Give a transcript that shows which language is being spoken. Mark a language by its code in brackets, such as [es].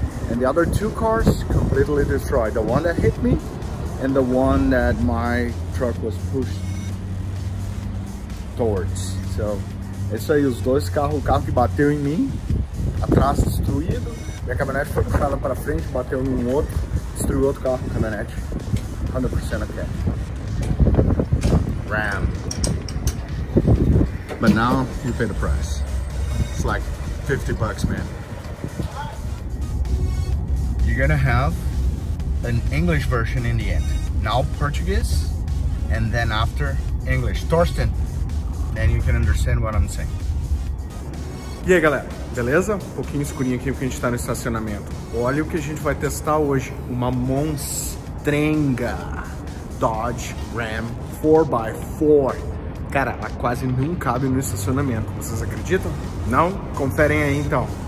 [en] And the other two cars completely destroyed. The one that hit me and the one that my truck was pushed towards. [pt] So, isso aí, os dois carros, o carro que bateu em mim, atrás destruído. Minha caminhonete foi puxada para frente, bateu em um outro, destruiu outro carro, caminhonete. [en] 100% okay. Ram. But now you pay the price. It's like 50 bucks, man. You're gonna have an English version in the end. Now Portuguese, and then after English. Thorsten, then you can understand what I'm saying. [pt] E aí, galera, beleza? Um pouquinho escurinho aqui porque a gente tá no estacionamento. Olha o que a gente vai testar hoje. Uma monstrenga Dodge Ram 4x4. Cara, ela quase não cabe no estacionamento. Vocês acreditam? Não? Conferem aí, então.